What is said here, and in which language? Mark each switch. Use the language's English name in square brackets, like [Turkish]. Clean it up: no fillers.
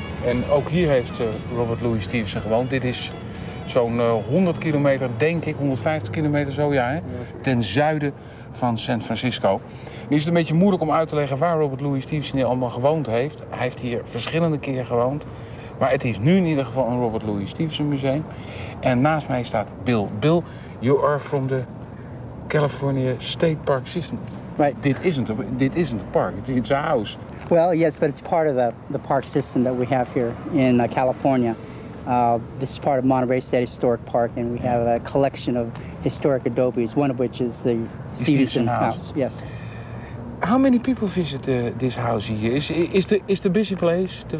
[Dutch] En ook hier heeft Robert Louis Stevenson gewoond. Dit is zo'n 100 kilometer, denk ik, 150 kilometer zo, ja, hè? Ten zuiden van San Francisco. Nu is het een beetje moeilijk om uit te leggen waar Robert Louis Stevenson hier allemaal gewoond heeft. Hij heeft hier verschillende keren gewoond. Maar het is nu in ieder geval een Robert Louis Stevenson museum. En naast mij staat Bill. [English] Bill, you are from the California State Park System. [Dutch] Dit is niet een park, het is een huis. [English] Well, yes, but it's part of the park system that we have here in California. This is part of Monterey State Historic Park, and we have a collection of historic adobes, one of which is the Stevenson House. Yes. How many people visit this house here? Is the busy place?